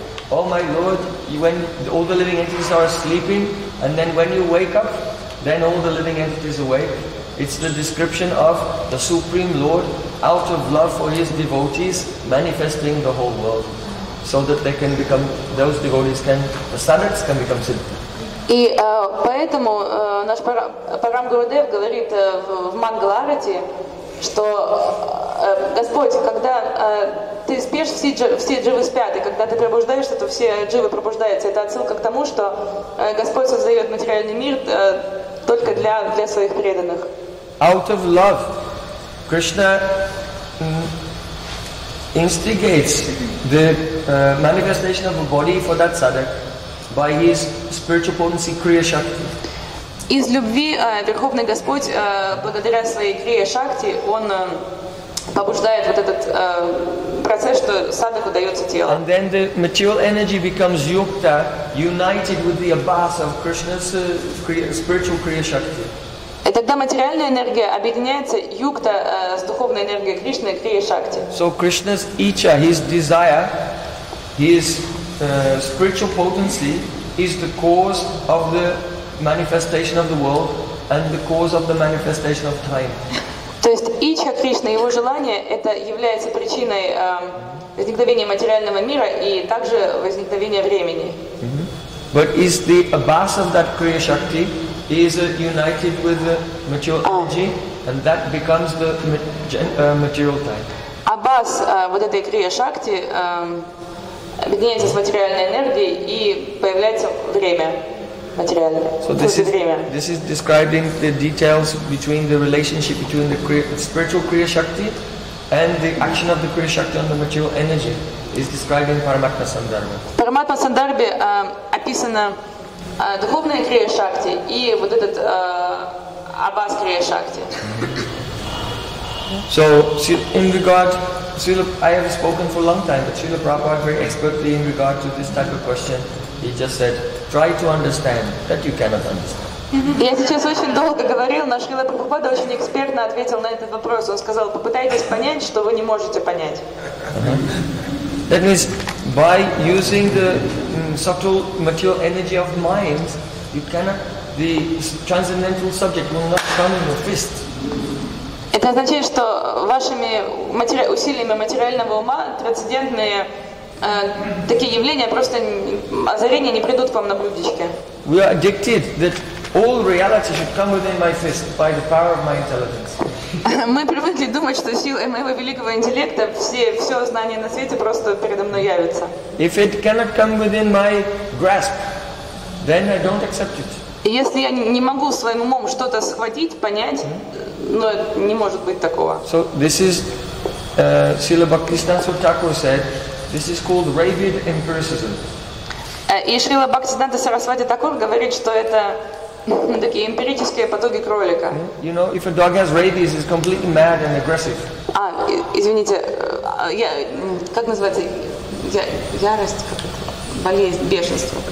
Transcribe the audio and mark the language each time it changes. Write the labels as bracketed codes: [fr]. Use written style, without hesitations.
[en] Oh my Lord, when all the living entities are sleeping, and then when you wake up, then all the living entities awake. It's the description of the Supreme Lord out of love for His devotees manifesting the whole world so that they can become, those devotees can, the sadhaks can become siddhis. [ru] И поэтому наш Парам Гурудев говорит в Мангаларати, что Господь, когда ты спишь, все дживы спят, и когда ты пробуждаешься, то все дживы пробуждаются. Это отсылка к тому, что Господь создает материальный мир только для своих преданных. [en] Out of love, Krishna instigates the manifestation of a body for that sadhak by His spiritual potency, Kriya Shakti. [ru] Из любви Верховный Господь, благодаря своей Крия Шакти, Он побуждает вот этот процесс, что садаку дается тело. [en] And then the material energy becomes yukta, united with the abhas of Krishna's spiritual Kriya Shakti. [ru] И тогда материальная энергия объединяется юкта с духовной энергией Кришны, Крия Шакти. [en] So Krishna's Icha, His desire, His spiritual potency is the cause of the manifestation of the world and the cause of the manifestation of time. [ru] То есть ичха Кришна, его желание, это является причиной возникновения материального мира и также возникновения времени. [en] But is the abhas of that Kriya Shakti is united with the material energy and that becomes the material time. [ru] Abhas вот этой Kriya Shakti объединяется с материальной энергией и появляется время. [en] So this is describing the details between the relationship between the spiritual Kriya Shakti and the action of the Kriya Shakti on the material energy. Is describing Paramatma Sandarbha. [ru] Paramatma Sandarbha описана духовная Kriya Shakti и вот этот Abhas Kriya Shakti. [en] So in regard, I have spoken for a long time, but Srila Prabhupada very expertly in regard to this type of question, he just said, try to understand that you cannot understand. [ru] Я сейчас очень долго говорил, но Шрила Прабхупада очень экспертно ответил на этот вопрос. Он сказал, попытайтесь понять, что вы не можете понять. [en] That means by using the subtle material energy of mind, you cannot, the transcendental subject will not come in your fist. [ru] Это означает, что вашими усилиями материального ума трансцендентные такие явления, просто озарения не придут к вам на блюдечке. [en] We are addicted that all reality should come within my fist by the power of my intelligence. [ru] Мы привыкли думать, что силой моего великого интеллекта все знание на свете просто передо мной явится. [en] If it cannot come within my grasp, then I don't accept it. [ru] Если я не могу своим умом что-то схватить, понять, но не может быть такого. [en] So this is Srila Bhaktisiddhanta Thakur said, this is called rabid empiricism. [ru] И Шрила Бхактисиддханта Сарасвати Такур говорит, что это такие эмпирические потуги кролика. [en] You know, if a dog has rabies, it's completely mad and aggressive. [ru] А, извините, я, как называется, ярость, как это, болезнь, бешенство.